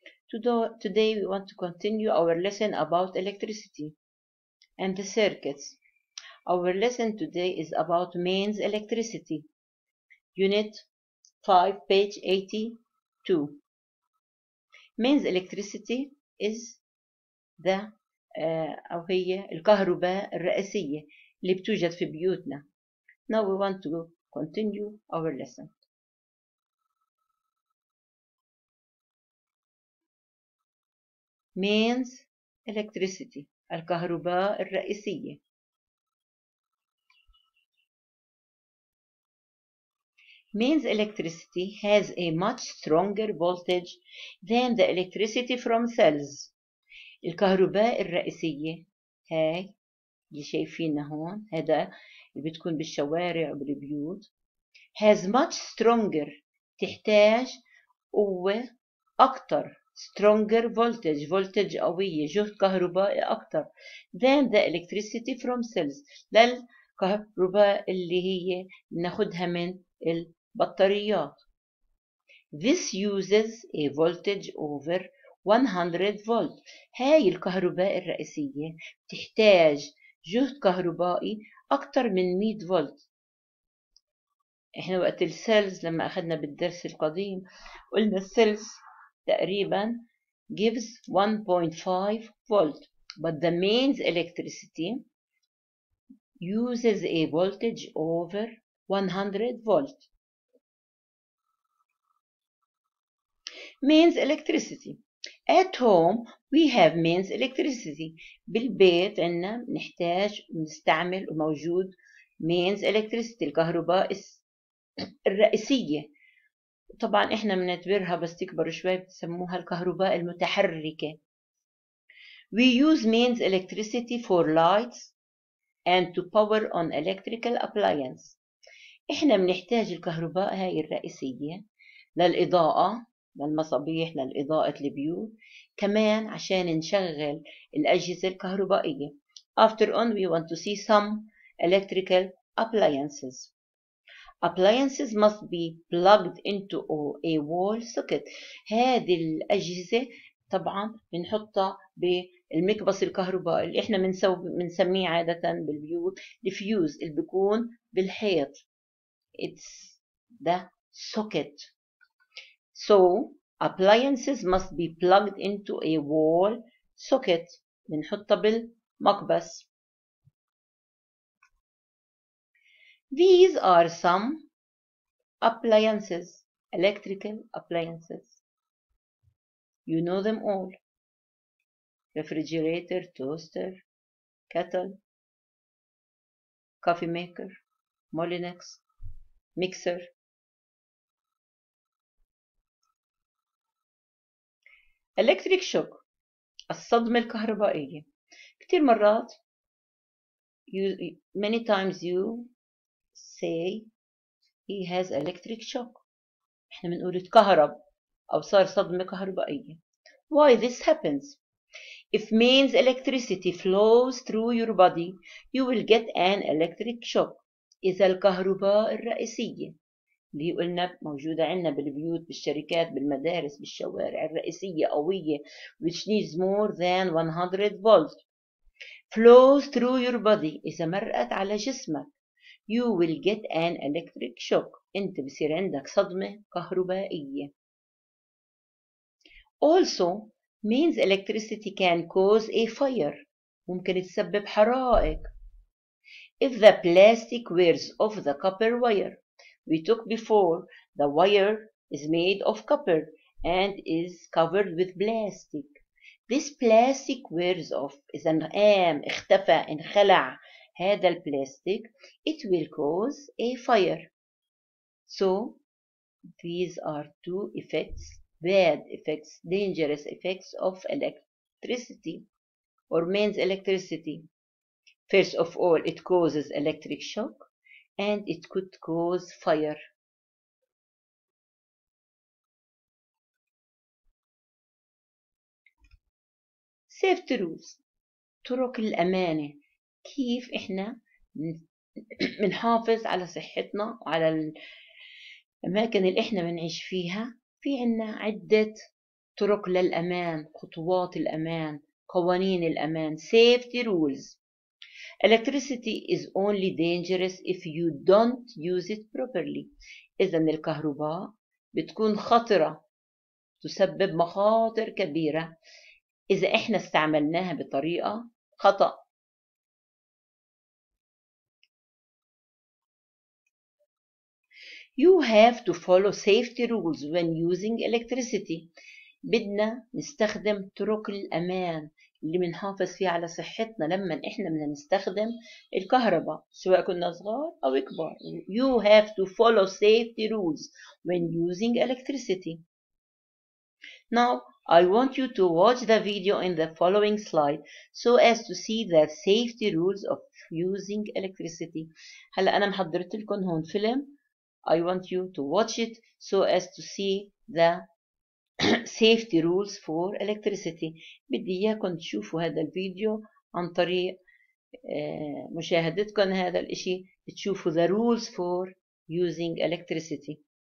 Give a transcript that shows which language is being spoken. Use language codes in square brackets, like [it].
[en] Today we want to continue our lesson about electricity and the circuits. Our lesson today is about mains electricity, Unit 5, page 82. Mains electricity is the [ar] أو هي الكهرباء الرئيسية اللي بتوجد في بيوتنا. [en] Now we want to continue our lesson. Mains electricity, [ar] الكهرباء الرئيسية. [en] Mains electricity has a much stronger voltage than the electricity from cells. [ar] الكهرباء الرئيسية هاي اللي شايفينها هون هذا اللي بتكون بالشوارع وبالبيوت [en] has much stronger [ar] تحتاج قوة أكتر [en] stronger voltage voltage [ar] قوية جهد كهربائي أكتر [en] than the electricity from cells [ar] للكهرباء اللي هي بناخدها من البطاريات. [en] This uses a voltage over 100 volt. [ar] هاي الكهرباء الرئيسية تحتاج جهد كهربائي أكتر من 100 فولت. إحنا وقت السيلز لما أخذنا بالدرس القديم قلنا السيلز تقريبا [en] gives 1.5 [ar] فولت. [en] But the mains electricity uses a voltage over 100 volt. Mains electricity. At home, we have mains electricity. [ar] بالبيت عنا نحتاج ونستعمل وموجود [en] mains electricity [ar] الكهرباء الرئيسية. طبعا احنا بنعتبرها بس تكبر شوي بتسموها الكهرباء المتحركة. [en] We use mains electricity for lights and to power on electrical appliance. [ar] احنا بنحتاج الكهرباء هاي الرئيسية للإضاءة للمصابيح للإضاءة البيوت كمان عشان نشغل الأجهزة الكهربائية. [en] After on we want to see some electrical appliances. Appliances must be plugged into a wall socket. [ar] هذه الأجهزة طبعا بنحطها بالمكبس الكهربائي اللي احنا بنسميه عادة بالبيوت الفيوز اللي بيكون بالحيط. [en] It's the socket. So, appliances must be plugged into a wall socket. [ar] بنحطها بالمقبس. [en] These are some appliances, electrical appliances. You know them all. Refrigerator, toaster, kettle, coffee maker, Molinex, mixer. Electric shock [ar] الصدمة الكهربائية كتير مرات [en] many times you say he has electric shock [ar] احنا بنقول اتكهرب او صار صدمة كهربائية. [en] Why this happens? If mains electricity flows through your body you will get an electric shock. [ar] إذا الكهرباء الرئيسية اللي قلنا موجودة عندنا بالبيوت بالشركات بالمدارس بالشوارع الرئيسية قوية [en] which needs more than 100 volt flows through your body [ar] إذا مرقت على جسمك [en] you will get an electric shock [ar] أنت بصير عندك صدمة كهربائية. [en] Also means electricity can cause a fire [ar] ممكن تسبب حرائق. [en] If the plastic wears off the copper wire we took before, the wire is made of copper and is covered with plastic. This plastic wears off. [ar] إذا قام اختفى انخلع هذا البلاستيك, [en] it will cause a fire. So, these are two effects, bad effects, dangerous effects of electricity or mains electricity. First of all, it causes electric shock. And it could cause fire. Safety rules. [ar] طرق الأمانة. كيف إحنا بنحافظ على صحتنا وعلى الأماكن اللي إحنا بنعيش فيها. في عنا عدة طرق للأمان، خطوات الأمان، قوانين الأمان، [en] safety rules. Electricity is only dangerous if you don't use it properly. [ar] إذا الكهرباء بتكون خطرة، تسبب مخاطر كبيرة إذا إحنا استعملناها بطريقة خطأ. [en] You have to follow safety rules when using electricity. [ar] بدنا نستخدم طرق الأمان اللي بنحافظ فيها على صحتنا لما إحنا بدنا نستخدم الكهرباء، سواء كنا صغار أو كبار. [en] You have to follow safety rules when using electricity. Now, I want you to watch the video in the following slide so as to see the safety rules of using electricity. [ar] هلا أنا محضرت لكم هون فيلم. [en] I want you to watch it so as to see the safety rules for electricity. [ar] بدي اياكم تشوفوا هذا الفيديو عن طريق مشاهدتكم هذا الاشي، تشوفوا [en] the rules for using electricity.